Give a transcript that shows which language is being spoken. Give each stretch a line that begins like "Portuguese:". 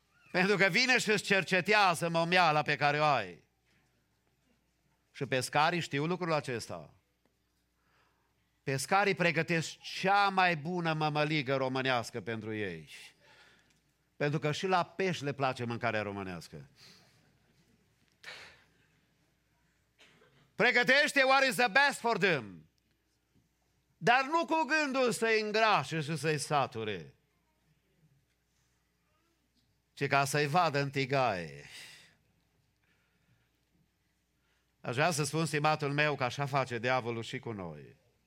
Romanian: Pentru că vine și îți cercetează momiala pe care o ai. Și pescarii știu lucrul acesta. Pescarii pregătesc cea mai bună mămăligă românească pentru ei. Pentru că și la pești le place mâncarea românească. Pregătește
English: what is the best for them.
Romanian: Dar nu cu gândul să-i îngrașe și să-i sature. Ci ca să-i vadă în tigaie. Aș vrea să spun, stimatul meu, că așa face diavolul și cu noi.